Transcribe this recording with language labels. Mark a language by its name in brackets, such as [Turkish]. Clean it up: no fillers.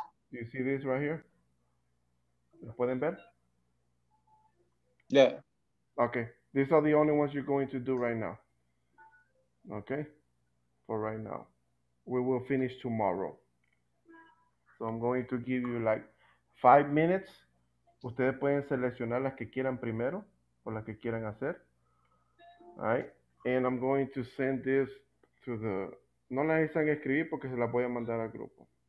[English] Do you see this right here? [Spanish] ¿Lo pueden ver? [English] Yeah. Okay, these are the only ones you're going to do right now. Okay, for right now. We will finish tomorrow. So I'm going to give you like 5 minutes. [Spanish] Ustedes pueden seleccionar las que quieran primero o las que quieran hacer. [English] All right. And I'm going to send this to the... [Spanish] No la necesitan escribir porque se la voy a mandar al grupo.